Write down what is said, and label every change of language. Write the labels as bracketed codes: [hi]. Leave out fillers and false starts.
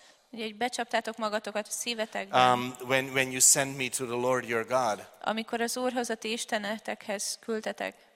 [hu] Úgy becsaptátok magatokat a szívetekbe. [en] When you send me to the Lord your God. [hu] Amikor az Úrhoz, a ti Istenetekhez küldtetek.